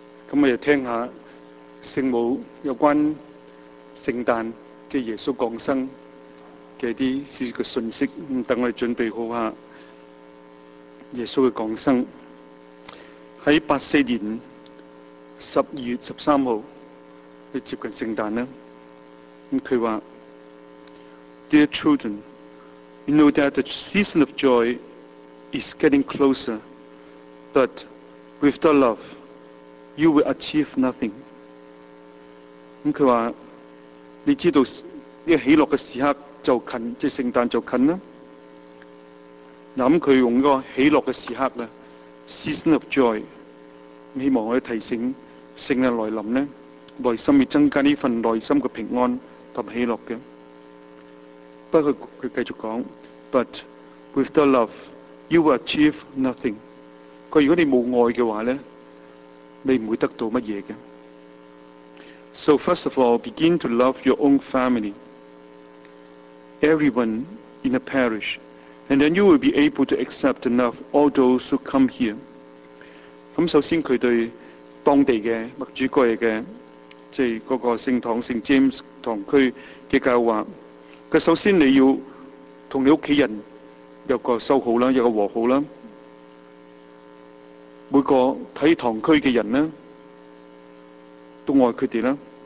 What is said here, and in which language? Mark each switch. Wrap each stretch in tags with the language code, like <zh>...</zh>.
<yue>咁我哋听下圣母有关圣诞，即系耶稣降生嘅啲事嘅信息。咁等我哋准备好下耶稣嘅降生。喺84年12月13日，佢接近圣诞啦。咁佢话 ： Dear children。</yue> <en>You know that the season of joy is getting closer, but with the love, you will achieve nothing.</en> <yue>咁佢话，你知道呢喜乐嘅时刻就近，即系圣诞就近啦。嗱，咁佢用个喜乐嘅时刻啦 ， season of joy，希望可以提醒圣诞来临咧，内心要增加呢份内心嘅平安同喜乐嘅。不过佢继续讲。</yue> <en>But with the love, you will achieve nothing.</en> <yue>如果你冇爱嘅话咧，你唔会得到乜嘢嘅。</yue> <en>So first of all, begin to love your own family, everyone in the parish, and then you will be able to accept and love all those who come here.</en> <yue>咁首先佢对当地嘅麦主盖嘅，即系嗰个圣堂圣 James 堂区嘅教话，佢首先你要。同你屋企人有個修好啦，有個和好啦。每個睇堂區嘅人咧，都愛佢哋啦。</yue>